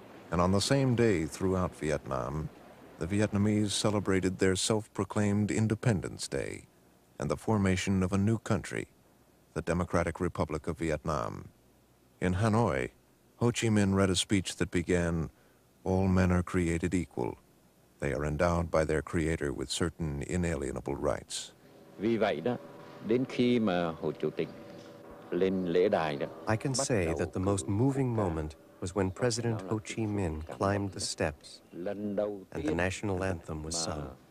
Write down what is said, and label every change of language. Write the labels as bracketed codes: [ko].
[en] And on the same day throughout Vietnam, the Vietnamese celebrated their self-proclaimed Independence Day and the formation of a new country, the Democratic Republic of Vietnam. In Hanoi, Ho Chi Minh read a speech that began, "All men are created equal. They are endowed by their creator with certain inalienable rights." [vi] Vì vậy đó, đến khi mà Hồ Chủ tịch lên lễ đài đó, [en] I can say that the most moving moment was when President Ho Chi Minh climbed the steps and the national anthem was sung.